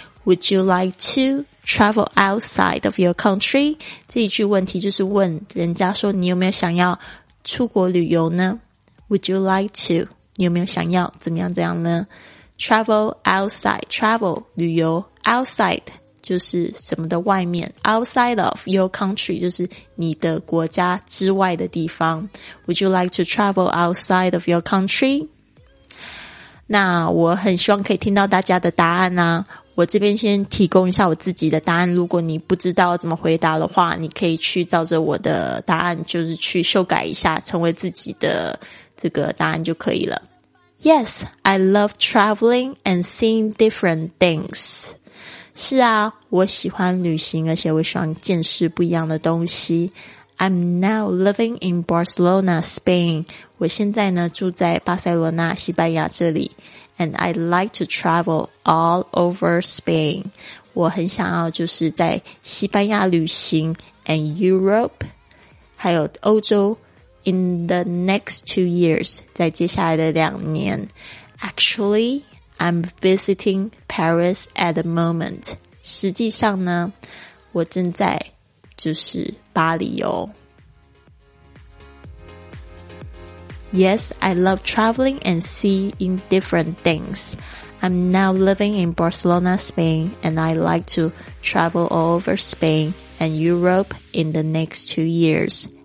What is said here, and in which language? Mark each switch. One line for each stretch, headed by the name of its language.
English: Would you like to travel outside of your country?
Chinese: 这一句问题就是问人家说你有没有想要出国旅游呢？
English: Would you like to?
Chinese: 你有没有想要怎么样这样呢？
English: Travel outside, travel,
Chinese: 旅游
English: outside,
Chinese: 就是什么的外面
English: outside of your country,
Chinese: 就是你的国家之外的地方。
English: Would you like to travel outside of your country?
Chinese: 那我很希望可以听到大家的答案啊。我这边先提供一下我自己的答案，如果你不知道怎么回答的话，你可以去照着我的答案，就是去修改一下，成为自己的这个答案就可以了。
English: Yes, I love traveling and seeing different things.
Chinese: 是啊，我喜欢旅行，而且我喜欢见识不一样的东西。
English: I'm now living in Barcelona, Spain.
Chinese: 我现在呢住在巴塞罗那，西班牙这里。
English: And I like to travel all over Spain.
Chinese: 我很想要就是在西班牙旅行
English: and Europe,
Chinese: 还有欧洲。
English: In the next 2 years,
Chinese: 在接下来的两年。
English: Actually, I'm visiting Paris at the moment.
Chinese: 实际上呢，我正在就是巴黎哦。
English: Yes, I love traveling and seeing different things. I'm now living in Barcelona, Spain, and I like to travel all over Spain and Europe in the next 2 years.